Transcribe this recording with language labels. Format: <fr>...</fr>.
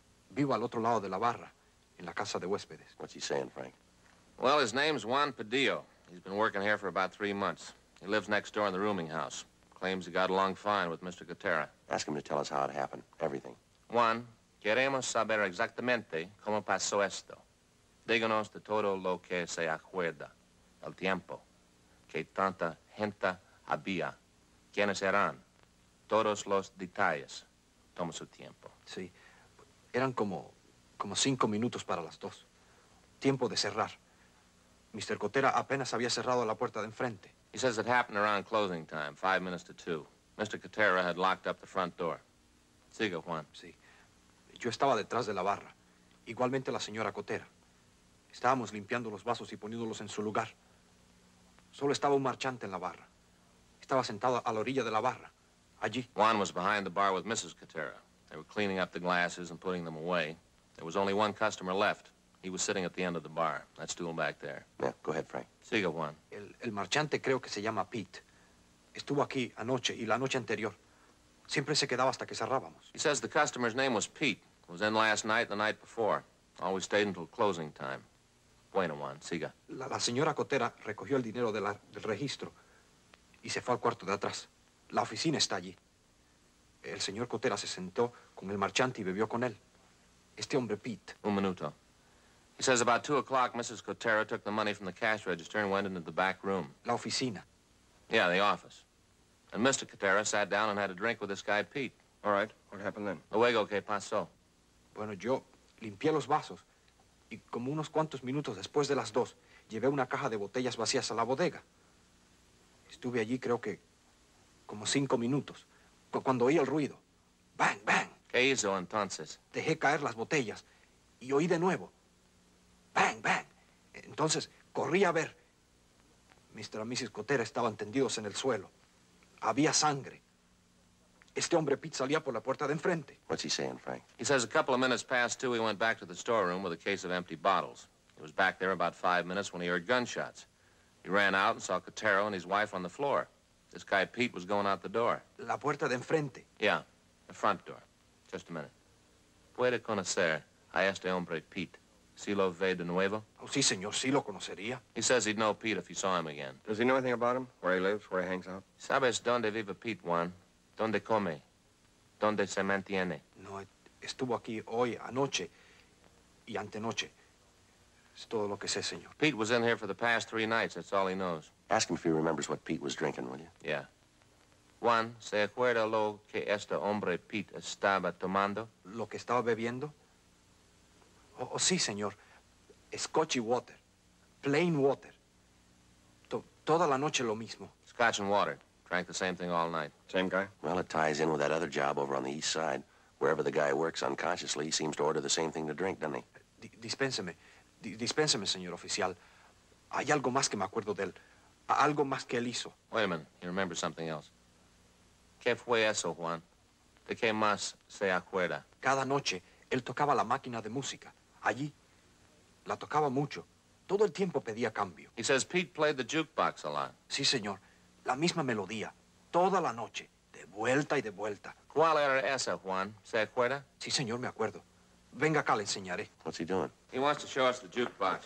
<es>Vivo al otro lado de la barra, en la casa de huéspedes.</es> <en>What's he saying, Frank? Well, his name's Juan Pedillo. He's been working here for about 3 months. He lives next door in the rooming house. Claims he got along fine with Mr. Cotero. Ask him to tell us how it happened. Everything.</en> <es>Juan, queremos saber exactamente cómo pasó esto. Díganos de todo lo que se acuerda. El tiempo. Que tanta gente había. ¿Quiénes eran? Todos los detalles. Toma su tiempo. Sí. Eran como 5 minutos para las 2. Tiempo de cerrar. Mr. Cotera apenas había cerrado la puerta de enfrente.</es> <en>He says it happened around closing time, 2:05. Mr. Cotera had locked up the front door. Siga, Juan.</en> <es>Sí. Yo estaba detrás de la barra. Igualmente la señora Cotera. Estábamos limpiando los vasos y poniéndolos en su lugar. Solo estaba un marchante en la barra. Estaba sentado a la orilla de la barra. Allí.</es> <en>Juan was behind the bar with Mrs. Cotera. They were cleaning up the glasses and putting them away. There was only one customer left. He was sitting at the end of the bar. That stool back there. Yeah, go ahead, Frank.</en> <es>Siga, Juan. El marchante creo que se llama Pete. Estuvo aquí anoche y la noche anterior. Siempre se quedaba hasta que cerrábamos.</es> <en>He says the customer's name was Pete. It was in last night and the night before. Always stayed until closing time. Bueno, Juan, siga.</en> <es>La señora Cotera recogió el dinero del registro y se fue al cuarto de atrás. La oficina está allí. El señor Cotera se sentó con el marchante y bebió con él. Este hombre, Pete.</es> <en>Un minuto. He says about 2:00, Mrs. Cotera took the money from the cash register and went into the back room.</en> <es>La oficina.</es> <en>Yeah, the office. And Mr. Cotera sat down and had a drink with this guy, Pete. All right. What happened then?</en> <es>Luego, ¿qué pasó? Bueno, yo limpié los vasos. Y como unos cuantos minutos después de las 2, llevé una caja de botellas vacías a la bodega. Estuve allí, creo que, como 5 minutos. Cuando oí el ruido. Bang, bang. ¿Qué hizo entonces? Dejé caer las botellas. Y oí de nuevo. Bang, bang. Entonces, corrí a ver. Mr. and Mrs. Cotera estaban tendidos en el suelo. Había sangre. Este hombre Pete salía por la puerta de enfrente.</es> <en>What's he saying, Frank? He says a couple of minutes past two, he went back to the storeroom with a case of empty bottles. He was back there about 5 minutes when he heard gunshots. He ran out and saw Cotero and his wife on the floor. This guy Pete was going out the door.</en> <es>La puerta de enfrente.</es> <en>Yeah, the front door. Just a minute. Puede conocer a este hombre Pete.</en> <es>Si lo ve de nuevo? Oh, sí, señor, sí lo conocería.</es> <en>He says he'd know Pete if he saw him again. Does he know anything about him? Where he lives, where he hangs out?</en> <es>¿Sabes dónde vive Pete, Juan? ¿Dónde come? ¿Dónde se mantiene? No, estuvo aquí hoy, anoche y antenoche. Es todo lo que sé, señor.</es> <en>Pete was in here for the past 3 nights. That's all he knows. Ask him if he remembers what Pete was drinking, will you? Yeah.</en> <es>Juan, ¿se acuerda lo que este hombre Pete estaba tomando? ¿Lo que estaba bebiendo? Oh, sí, señor. Scotch and water. Plain water. Toda la noche lo mismo.</es> <en>Scotch and water. Drank the same thing all night. Same guy? Well, it ties in with that other job over on the east side. Wherever the guy works unconsciously, he seems to order the same thing to drink, doesn't he?</en> <es>Dispénseme, señor oficial. Hay algo más que me acuerdo de él. Algo más que él hizo.</es> <en>Wait a minute. He remembers something else. ¿Qué fue eso, Juan?</en> <es>¿De qué más se acuerda? Cada noche, él tocaba la máquina de música. Allí, la tocaba mucho. Todo el tiempo pedía cambio.</es> <en>He says Pete played the jukebox a lot.</en> <es>Sí, señor. La misma melodía. Toda la noche. De vuelta y de vuelta. ¿Cuál era esa, Juan? ¿Se acuerda? Sí, señor, me acuerdo. Venga acá, le enseñaré.</es> <en>What's he doing? He wants to show us the jukebox.</en>